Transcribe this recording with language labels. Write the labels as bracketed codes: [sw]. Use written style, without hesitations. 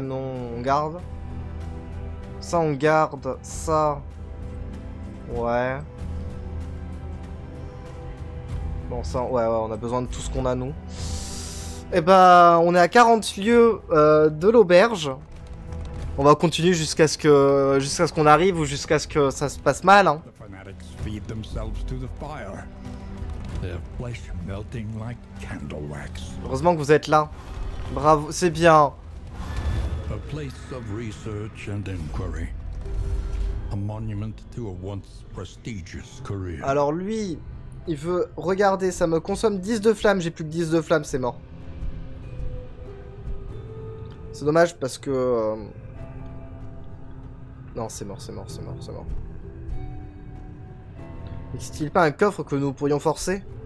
[fr] Non, on garde. Ça, on garde. Ça. Ouais. Bon, ça, ouais, on a besoin de tout ce qu'on a, nous. Et bah, on est à 40 lieues de l'auberge. On va continuer jusqu'à ce qu'on arrive ou jusqu'à ce que ça se passe mal. Hein. [en] The fanatics feed themselves to the fire. Their flesh melting like candle wax. [fr] Heureusement que vous êtes là. Bravo, c'est bien. [en] A place of research and inquiry. A monument to a once prestigious career. [fr] Alors lui, il veut regarder, ça me consomme 10 de flamme, j'ai plus que 10 de flamme, c'est mort. C'est dommage parce que non, c'est mort. N'existe-t-il pas un coffre que nous pourrions forcer?